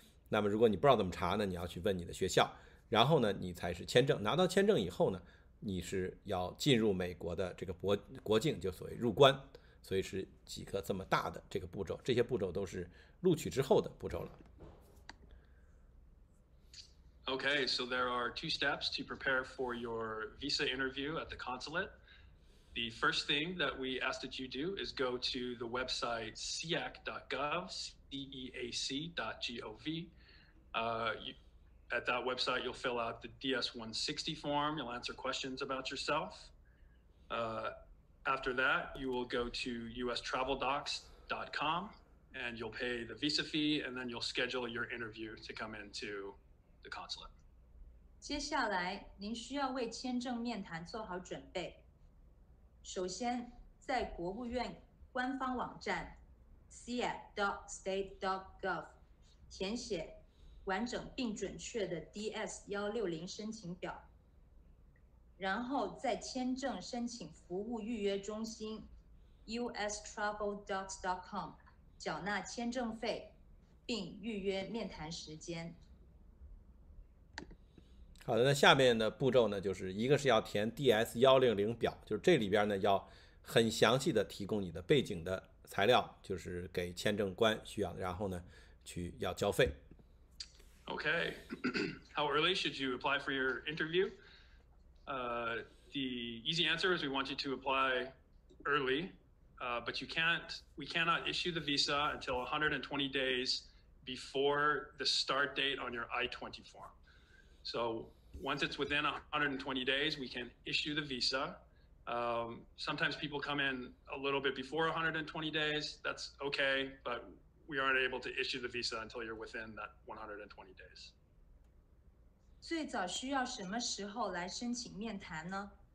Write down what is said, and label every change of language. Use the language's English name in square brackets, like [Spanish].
[Chinese] 那么如果你不知道怎么查呢，你要去问你的学校，然后呢你才是签证。拿到签证以后呢，你是要进入美国的这个国境，就所谓入关。所以是几个这么大的这个步骤，这些步骤都是录取之后的步骤了。 [English] Okay, so there are two steps to prepare for your visa interview at the consulate. The first thing that we ask that you do is go to the website ceac.gov, ceac.gov. At that website, you'll fill out the DS-160 form. You'll answer questions about yourself. After that, you will go to ustraveldocs.com and you'll pay the visa fee, and then you'll schedule your interview to come into the consulate. [Chinese] 接下来，您需要为签证面谈做好准备。首先，在国务院官方网站 ceac.state.gov 填写完整并准确的 DS-160 申请表。然后在签证申请服务预约中心 ustraveldocs.com 缴纳签证费，并预约面谈时间。好的，那下面的步骤呢，就是一个是要填 DS-160 表，就是这里边呢要很详细的提供你的背景的材料，就是给签证官需要的，然后呢去要交费。 [English] Okay, how early should you apply for your interview? The easy answer is we want you to apply early, but we cannot issue the visa until 120 days before the start date on your I-20 form. So once it's within 120 days, we can issue the visa. Sometimes people come in a little bit before 120 days, that's okay, but we aren't able to issue the visa until you're within that 120 days. [Chinese] 最早需要什么时候来申请面谈呢？